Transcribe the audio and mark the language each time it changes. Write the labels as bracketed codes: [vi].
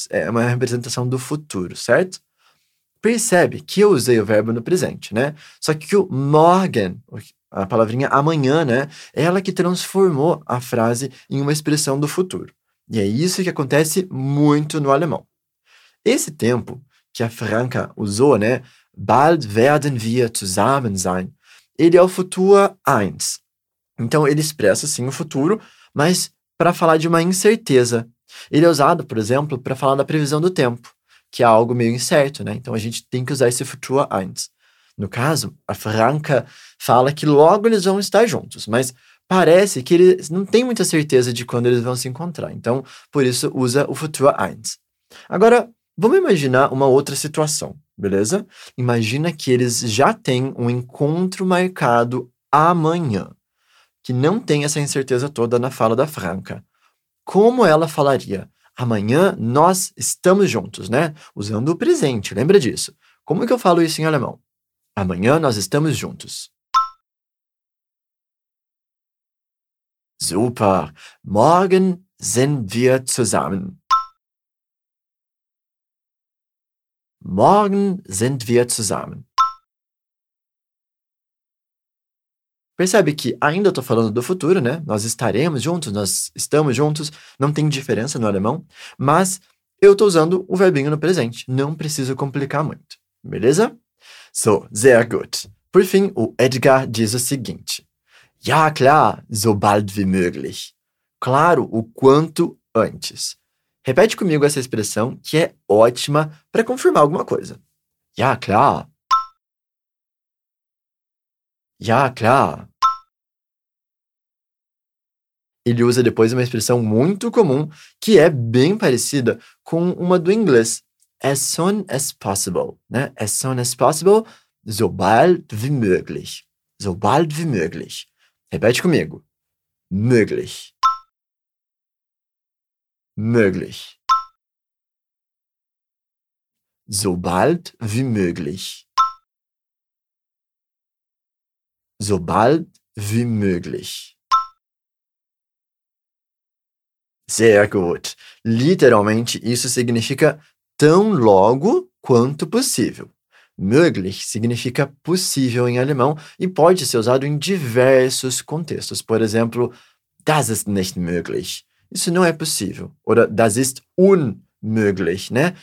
[pt] É uma representação do futuro, certo? Percebe que eu usei o verbo no presente, né? Só que o morgen, a palavrinha amanhã, né? É ela que transformou a frase em uma expressão do futuro. E é isso que acontece muito no alemão. Esse tempo que a Franca usou, né? [de] Bald werden wir zusammen sein. [pt] Ele é o futuro eins. Então, ele expressa, sim, o futuro, mas para falar de uma incerteza. Ele é usado, por exemplo, para falar da previsão do tempo, que é algo meio incerto, né? Então, a gente tem que usar esse futuro eins. No caso, a Franca fala que logo eles vão estar juntos, mas parece que eles não têm muita certeza de quando eles vão se encontrar. Então, por isso, usa o futuro eins. Agora, vamos imaginar uma outra situação, beleza? Imagina que eles já têm um encontro marcado amanhã, que não tem essa incerteza toda na fala da Franca. Como ela falaria? Amanhã nós estamos juntos, né? Usando o presente, lembra disso. Como que eu falo isso em alemão? Amanhã nós estamos juntos. Super! [de] Morgen sind wir zusammen. Morgen sind wir zusammen. [pt] Percebe que ainda estou falando do futuro, né? Nós estaremos juntos, nós estamos juntos. Não tem diferença no alemão. Mas eu estou usando o verbinho no presente. Não preciso complicar muito. Beleza? [de] So, sehr gut. [pt] Por fim, o Edgar diz o seguinte. [de] Ja, klar, so bald wie möglich. [pt] Claro, o quanto antes. Repete comigo essa expressão, que é ótima para confirmar alguma coisa. [de] Ja, klar. Ja, klar. [pt] Ele usa depois uma expressão muito comum, que é bem parecida com uma do inglês. [en] As soon as possible. Né? As soon as possible, [de] so bald wie möglich. So bald wie möglich. [pt] Repete comigo. [de] Möglich. Möglich. So bald wie möglich. So bald wie möglich. Sehr gut. [pt] Literalmente, isso significa tão logo quanto possível. Möglich significa possível em alemão e pode ser usado em diversos contextos. Por exemplo, [de] das ist nicht möglich. [pt] Isso não é possível. [de] Oder das ist unmöglich, né?